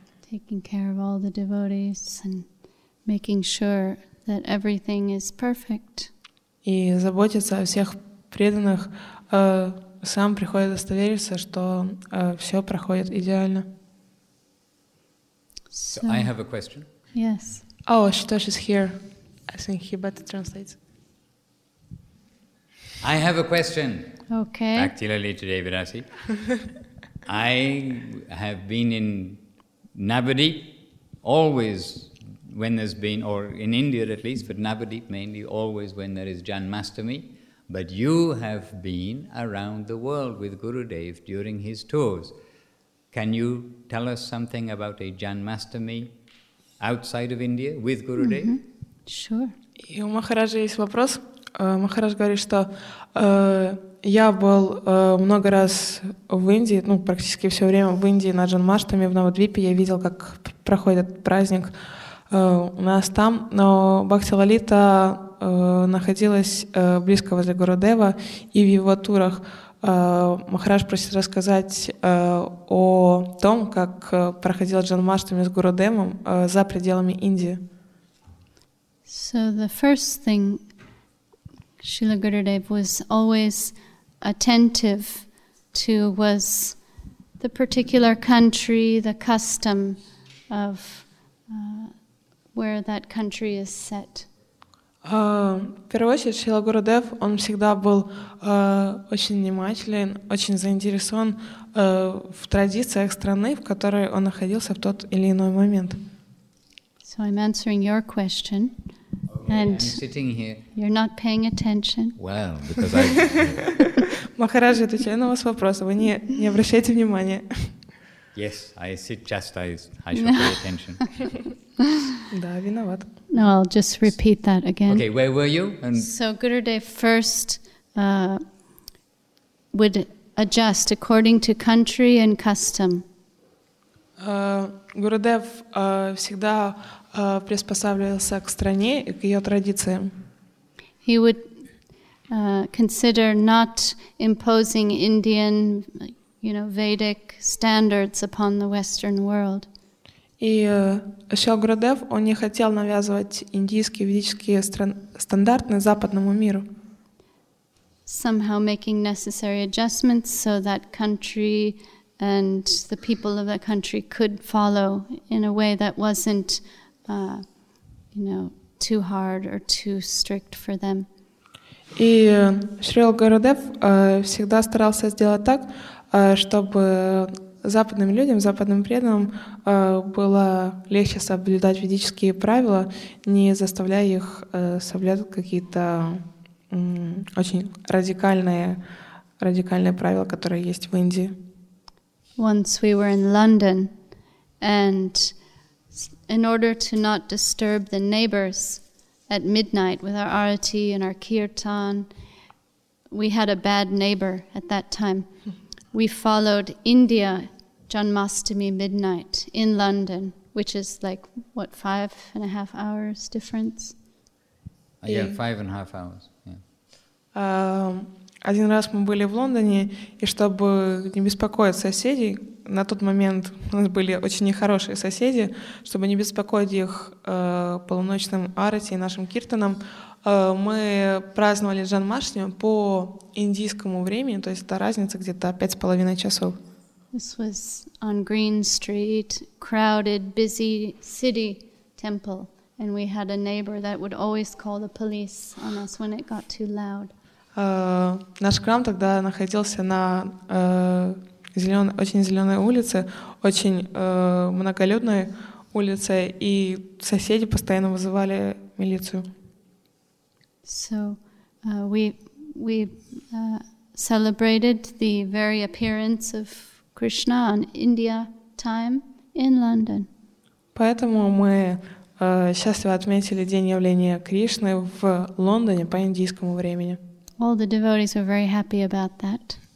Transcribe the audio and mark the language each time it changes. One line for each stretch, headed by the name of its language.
English: Taking care of all the devotees and making sure that everything is perfect.
Russian: И заботится о всех преданных, сам приходит удостовериться, что все проходит идеально.
English: So I have a question. Yes. Oh, Ashutosh is here. I think he better translates. I have a question. Okay. Bhakti Lalita Devi Rasi. I have been in Navadvip always when there's been, or in India at least, but Navadvip mainly always when there is Janmashtami. But you have been around the world with Gurudev during his tours. Can you tell us something about a Janmashtami outside of India with Gurudev? Mm-hmm. Sure.
Russian: У Махараджа есть вопрос. Махарадж говорит, что я был много раз в Индии, ну, практически все время в Индии на Джанмаштами, в Навадвипе. Я видел, как проходит праздник у нас там. Но Бхакти Лалита находилась близко возле Гурудева, и в его турах Махарадж просит рассказать о том, как проходил Джанмаштами с Гурудевом за пределами Индии.
English: So the first thing, Srila Gurudev was always attentive to was the particular country, the custom of where that country is set.
Russian: В первую очередь Шрила Гурудев, он всегда был очень внимателен, очень заинтересован в традициях страны, в которой он находился в тот или иной момент.
English: So I'm answering your question. And I'm sitting here. You're not paying attention. Well, because I.
Russian: Махараджи, отвечаю на ваш вопрос. Вы не обращаете внимания.
English: Yes, I sit chastised. I should pay attention.
Russian: Да, виноват.
English: No, I'll just repeat that again. Okay, where were you? And so Gurudev first would adjust according to country and custom.
Russian: Гурудев всегда приспосабливался к стране и к ее традициям.
English: He would consider not imposing Indian, you know, Vedic standards upon the Western world.
Russian: И Шрила Гурудев, он не хотел навязывать индийские ведические стандарты западному миру.
English: Somehow making necessary adjustments so that country and the people of that country could follow in a way that wasn't too hard or too strict for them.
Russian: И Шрила Гурудев всегда старался сделать так, чтобы западным людям, западным преданным было легче соблюдать ведические правила, не заставляя их соблюдать какие-то очень радикальные правила, которые есть в Индии.
English: Once we were in London, and in order to not disturb the neighbors at midnight with our arati and our kirtan, we had a bad neighbor at that time. We followed India Janmashtami midnight in London, which is like, what, 5.5 hours difference? Yeah, 5.5 hours.
Russian: Один раз мы были в Лондоне, и чтобы не беспокоить соседей, на тот момент у нас были очень нехорошие соседи, чтобы не беспокоить их полуночным арати и нашим киртаном, мы праздновали Джанмашню по индийскому времени, то есть это разница где-то 5,5 часов.
English: This was on Green Street, crowded, busy city temple, and we had a neighbor that would always call the police on us when it got too loud.
Russian: Наш храм тогда находился на очень зеленой улице, очень многолюдной улице, и соседи постоянно вызывали милицию.
English: So we celebrated the very appearance of Krishna on India time in London.
Russian: Поэтому мы счастливо отметили день явления Кришны в Лондоне по индийскому времени.
English: All the devotees were very happy about that.